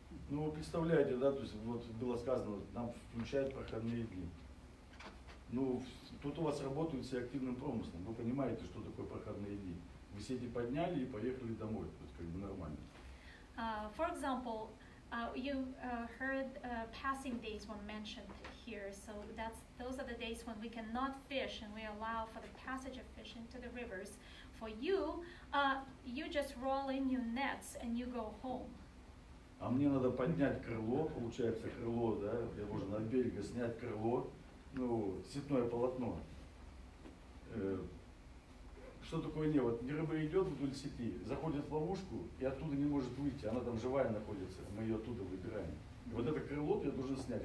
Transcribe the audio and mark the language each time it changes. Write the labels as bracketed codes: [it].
[ru] Ну, представляете, да, то есть вот было сказано, нам включают проходные дни. Ну, тут у вас работают все активным промыслом. Вы понимаете, что такое проходные дни. Вы сети подняли и поехали домой. Тут как бы нормально. [en] For example, you heard passing days were mentioned here. So that's those are the days when we cannot fish and we allow for the passage of fish into the rivers. For you, you just roll in your nets and you go home. [ru] А мне надо поднять крыло, получается крыло, да? Я должен от берега снять крыло. Ну, сетное полотно. Что такое не? Вот рыба идет вдоль сети, заходит в ловушку и оттуда не может выйти. Она там живая находится, мы ее оттуда выбираем. И вот это крыло я должен снять.